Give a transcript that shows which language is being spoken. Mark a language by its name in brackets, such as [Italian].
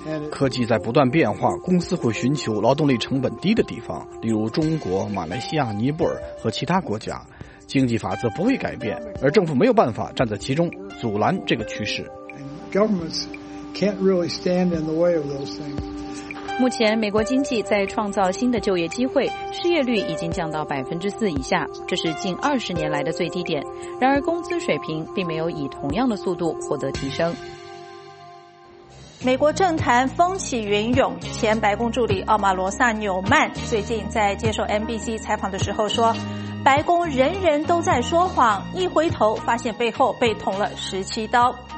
[Chinese] 科技在不断变化，公司会寻求劳动力成本低的地方，例如中国、马来西亚、尼泊尔和其他国家。经济法则不会改变，而政府没有办法站在其中阻拦这个趋势。 [English] Governments can't really stand in the way of those things. [Chinese] 目前美国经济在创造新的就业机会，失业率已经降到4%以下，这是近20年来的最低点。然而工资水平并没有以同样的速度获得提升。美国政坛风起云涌，前白宫助理奥马罗萨纽曼最近在接受 NBC 采访的时候说，白宫人人都在说谎，一回头发现背后被捅了17刀。